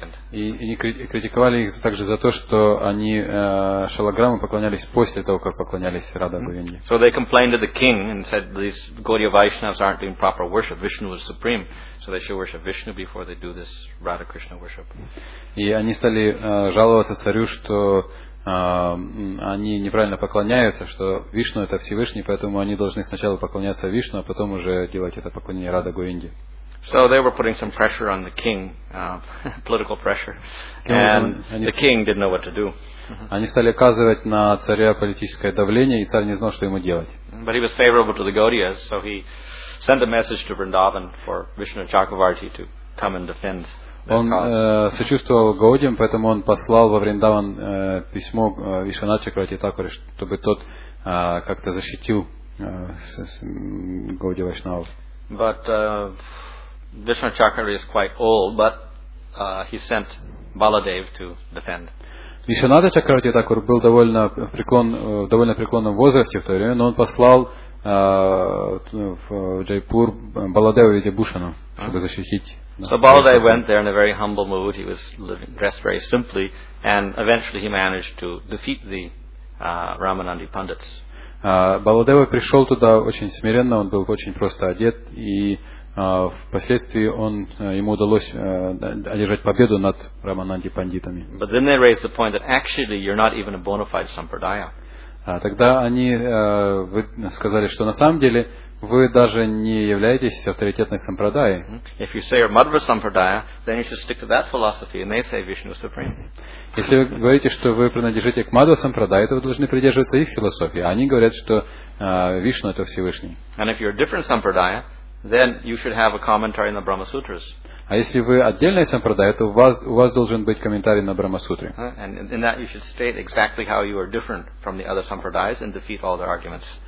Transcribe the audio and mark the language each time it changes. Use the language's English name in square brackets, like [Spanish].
[Russian] И критиковали их также за то, что они Шалаграмы поклонялись после того, как поклонялись Радха Говинде. [English] So they complained to the king and said these Gaudiya Vaishnavas aren't doing proper worship. Vishnu is supreme, so they should worship Vishnu before they do this Radha Krishna worship. [Russian] И они стали жаловаться царю, что они неправильно поклоняются, что Вишну это Всевышний, поэтому они должны сначала поклоняться Вишну, а потом уже делать это поклонение Радха Говинде. [English] So they were putting some pressure on the king, political pressure, and the king didn't know what to do. [Russian] Они стали оказывать на царя политическое давление, и царь не знал, что ему делать. [English] But he was favorable to the Gaudiyas, so he sent a message to Vrindavan for Vishnu Chakravarti to come and defend their cause. [Russian] Он сочувствовал Гаудиям, поэтому он послал во Вриндаван письмо Вишвана Чакравати Такуре, чтобы тот как-то защитил Гауди Вайшнава. [English] But Vishnu Chakravarti is quite old, but he sent Baladev to defend. [Russian] Vishwanatha Chakravarti Thakur был довольно преклонном возрасте в то время, но он послал в Джайпур Баладева Видябушана, чтобы защитить. [English] So Baladev went there in a very humble mood. He was dressed very simply, and eventually he managed to defeat the Ramanandi pandits. [Russian] Баладева пришел туда очень смиренно. Он был очень просто одет и впоследствии он ему удалось одержать победу над Раманандхи пандитами. [English] But then they raised the point that actually you're not even a bona fide sampradaya. [Russian] Тогда они сказали, что на самом деле вы даже не являетесь авторитетной сампрадаей. [English] If you say you're Madhva sampradaya, then you should stick to that philosophy, and they say Vishnu supreme. [Russian] Если вы говорите, что вы принадлежите к Мадва сампрадае, то вы должны придерживаться их философии. Они говорят, что Вишну это Всевышний. [English] And if you're a different sampradaya, then you should have a commentary on the Brahma Sutras. [Russian] А если вы отдельная сампрадая, то у вас должен быть комментарий на Брахма Сутры. [English] And in that you should state exactly how you are different from the other sampradayas and defeat all their arguments.